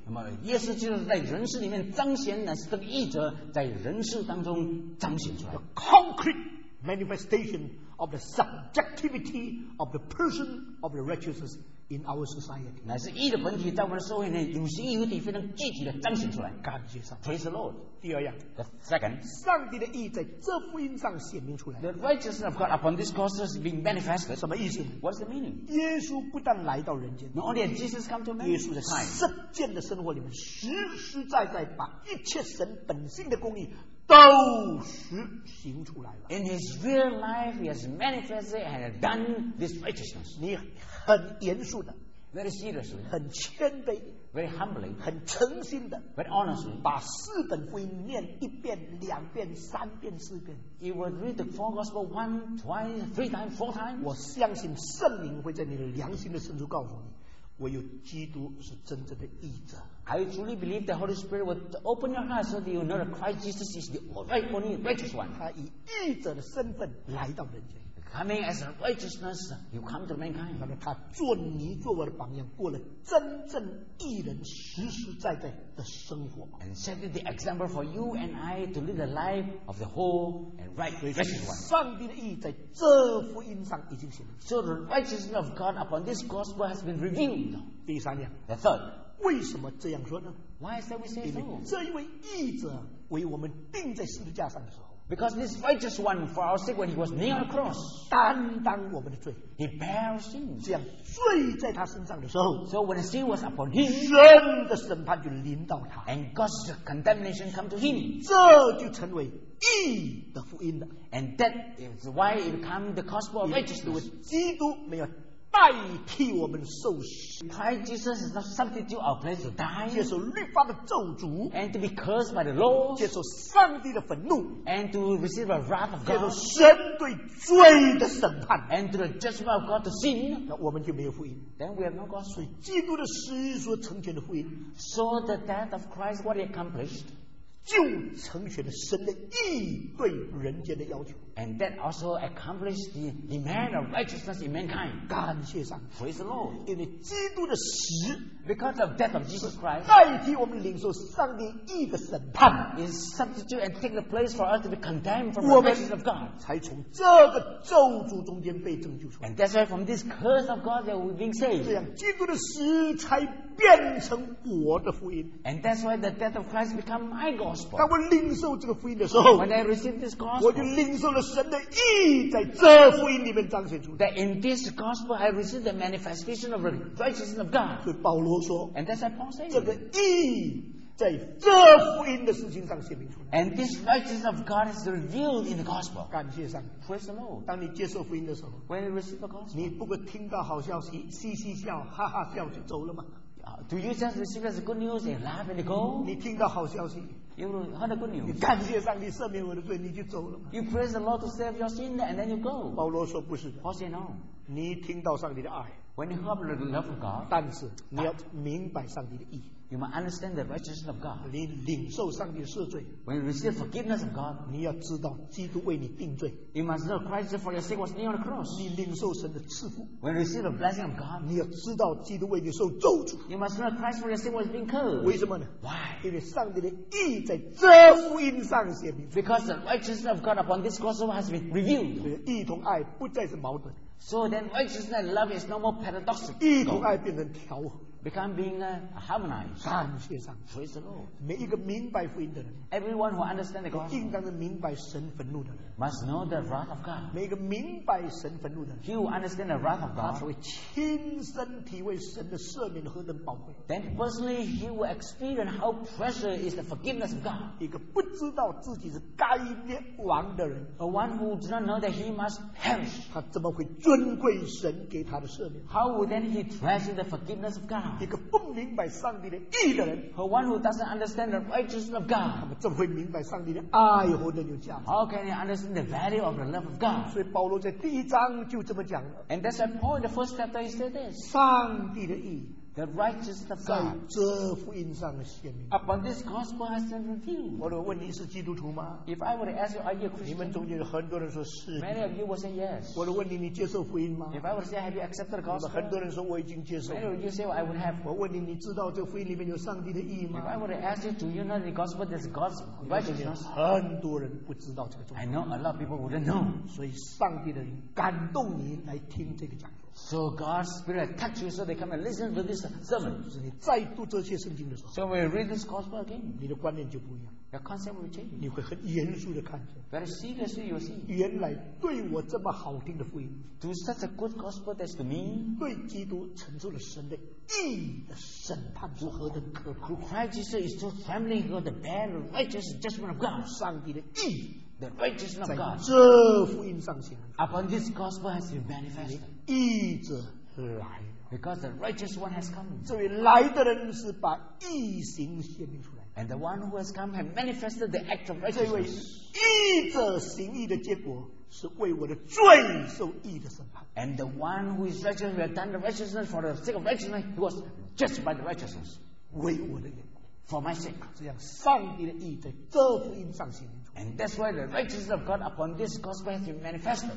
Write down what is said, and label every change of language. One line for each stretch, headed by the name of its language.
Chinese: 那么耶稣基督在人世里面彰显，乃是这个义者在人世当中彰显出来。
English: The concrete manifestation of the subjectivity of the person of the righteousness in our society.
Chinese: 乃是义的本体在我们的社会内有形有体非常具体的彰显出来。感谢上帝。
English: Praise the Lord.
Chinese: 第二样。
English: The second.
Chinese: 上帝的义在这福音上显明出来。
English: The righteousness of God upon this cross has been manifested.
Chinese: 什么意思
English: ？What's the meaning?
Chinese: 耶稣不但来到人间
English: ，Not only did Jesus come to man.
Chinese: 耶稣的实践的生活里面，实实在在把一切神本性的公义。都实行出来了。
English: In his real life, he has manifested and done this righteousness.
Chinese: 你很严肃的
English: ，very seriously，
Chinese: 很谦卑
English: ，very humbly，
Chinese: 很诚心的
English: ，very honestly，
Chinese: 把四本福音念一遍、两遍、三遍、四遍。
English: He will read the four gospel one, twice, three times, four times.
Chinese: 我相信圣灵会在你的良心的深处告诉你。唯有基督是真正的义者。
English: I truly believe the Holy Spirit would open your heart so that you know that Christ Jesus is the only righteous one.
Chinese: 他以义者的身份来到人间。
English: coming as a righteousness, you come to mankind.
Chinese: 那么他做你做我的榜样，过了真正义人实实在在的生活。
English: And set the example for you and I to live the life of the whole and right righteous one.
Chinese: 上帝的义在这福音上已经显明。
English: So the righteousness of God upon this gospel has been revealed.
Chinese: 第三点。
English: The third.
Chinese: 为什么这样说呢？
English: Why is that we say so?
Chinese: 这一位义者为我们钉在十字架上的时候。
English: Because this righteous one for our sake when he was nailed on the cross,
Chinese: 担当我们的罪，
English: he bare sin.
Chinese: 这样罪在他身上的时候，
English: so when sin was upon him,
Chinese: 神的审判就临到他，
English: and God's condemnation come to him.
Chinese: 这就成为义的福音了，
English: and that is why it become the gospel of righteousness.
Chinese: 基督没有代替我们受死，
English: Christ Jesus is not substitute our place to die,
Chinese: 接受律法的咒诅，
English: and to be cursed by the law,
Chinese: 接受上帝的愤怒，
English: and to receive the wrath of God,
Chinese: 接受神对罪的审判，
English: and to the judgment of God to sin,
Chinese: 那我们就没有福音，
English: then we have no gospel.
Chinese: 所以基督的死所成全的福音，
English: so the death of Christ, what he accomplished,
Chinese: 就成全了神的义对人间的要求，
English: and that also accomplished the demand of righteousness in mankind.
Chinese: 感谢上帝，
English: praise the Lord.
Chinese: 因为基督的死，
English: because of death of Jesus Christ,
Chinese: 代替我们领受上帝义的审判，
English: is substitute and take the place for us to be condemned from the presence of God.
Chinese: 才从这个咒诅中间被拯救出来，
English: and that's why from this curse of God that we've been saved.
Chinese: 这样基督的死才变成我的福音，
English: and that's why the death of Christ become my gospel.
Chinese: 当我领受这个福音的时候，
English: when I receive this gospel,
Chinese: 我就领受了神的义在这福音里面彰显出来。
English: That in this gospel I receive the manifestation of the righteousness of God.
Chinese: 所以保罗说，
English: and that's why Paul says,
Chinese: 这个义在这福音的事情上显明出来。
English: And this righteousness of God is revealed in the gospel.
Chinese: 感谢上帝。
English: Praise the Lord.
Chinese: 当你接受福音的时候，
English: when I receive the gospel,
Chinese: 你不过听到好消息，嘻嘻笑，哈哈笑就走了吗？
English: Do you just receive as good news and laugh and go?
Chinese: 你听到好消息，
English: you heard good news.
Chinese: 你感谢上帝赦免我的罪，你就走了吗？
English: You praise the Lord to save your sin and then you go.
Chinese: 保罗说不是的。
English: Paul said no.
Chinese: 你听到上帝的爱，
English: when you heard the love of God,
Chinese: 但是你要明白上帝的义，
English: you must understand the righteousness of God.
Chinese: 你领受上帝的赦罪，
English: when you receive forgiveness of God,
Chinese: 你要知道基督为你定罪，
English: you must know Christ for your sake was nailed on the cross.
Chinese: 你领受神的赐福，
English: when you receive the blessing of God,
Chinese: 你要知道基督为你受咒诅，
English: you must know Christ for your sake was being cursed.
Chinese: 为什么呢？
English: Why?
Chinese: 因为上帝的义在这福音上显明，
English: because the righteousness of God upon this gospel has been revealed.
Chinese: 所以义同爱不再是矛盾，
English: so then righteousness and love is no more paradoxical.
Chinese: 义同爱变成调和，
English: become being harmonized.
Chinese: 感谢上帝。
English: Praise the Lord.
Chinese: 每一个明白福音的人，
English: everyone who understands the gospel,
Chinese: 应当明白神愤怒的人，
English: must know the wrath of God.
Chinese: 每一个明白神愤怒的人，
English: he who understands the wrath of God,
Chinese: 他才会亲身体会神的赦免何等宝贵。
English: Then personally, he will experience how precious is the forgiveness of God.
Chinese: 一个不知道自己是该灭亡的人，
English: a one who does not know that he must perish,
Chinese: 他怎么会尊贵神给他的赦免？
English: How would then he treasure the forgiveness of God?
Chinese: 一个不明白上帝的义的人，
English: for one who doesn't understand the righteousness of God,
Chinese: 他们怎么会明白上帝的爱和的有价值？
English: How can he understand the value of the love of God?
Chinese: 所以保罗在第一章就这么讲了。
English: And that's why Paul in the first chapter he said this,
Chinese: 上帝的义，
English: the righteousness of God,
Chinese: 在这福音上显明。
English: Upon this gospel has been revealed.
Chinese: 我问你是基督徒吗？
English: If I were to ask you, are you a Christian?
Chinese: 你们中间有很多人说是。
English: Many of you will say yes.
Chinese: 我问你，你接受福音吗？
English: If I were to say, have you accepted the gospel?
Chinese: 很多人说我已经接受。
English: Many of you say, well, I would have.
Chinese: 我问你，你知道这福音里面有上帝的义吗？
English: If I were to ask you, do you know the gospel? There's God's righteousness.
Chinese: 很多人不知道这个宗教。
English: I know a lot of people wouldn't know.
Chinese: 所以上帝的人感动你来听这个讲。
English: So God's Spirit touch you, so they come and listen to this sermon.
Chinese: 是你再读这些圣经的时候，
English: so when you read this gospel again,
Chinese: 你的观念就不一样，
English: your concept will change.
Chinese: 你会很严肃的看见，
English: very seriously you see.
Chinese: 原来对我这么好听的福音，
English: to such a good gospel that's to me,
Chinese: 对基督承受了神的义的审判如何的可怕。
English: Christ Jesus is so trembling for the bad righteous judgment of God.
Chinese: 上帝的义，
English: the righteousness of God,
Chinese: 在这福音上显明。
English: Upon this gospel has been manifested.
Chinese: 义者来，
English: because the righteous one has come.
Chinese: 这位来的人是把义行显明出来。
English: And the one who has come has manifested the act of righteousness.
Chinese: 这位义者行义的结果是为我的罪受义的审判。
English: And the one who is righteous who has done the righteousness for the sake of righteousness, he was judged by the righteousness.
Chinese: 为我的缘故，
English: for my sake.
Chinese: 这样，上帝的义在这福音上显明出来。
English: And that's why the righteousness of God upon this gospel has been manifested.